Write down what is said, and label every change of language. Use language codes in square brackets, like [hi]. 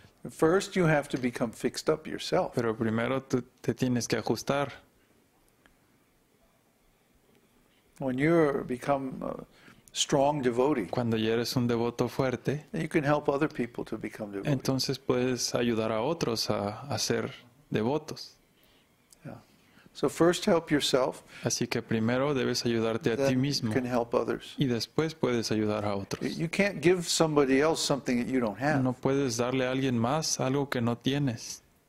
[en] First, you have to become fixed up yourself. [es] Pero primero te tienes que ajustar. [en] When you become strong devotee. [es] Cuando ya eres un devoto fuerte. [en] You can help other people to become devotees. [es] Entonces puedes ayudar a otros a ser devotos. [en] Yeah. So first help yourself. [es] Así que primero debes ayudarte a ti mismo. [en] Then you can help others. [es] Y después puedes ayudar a otros. [en] You can't give somebody else something that you don't have. [es] No puedes darle a alguien más algo que no tienes.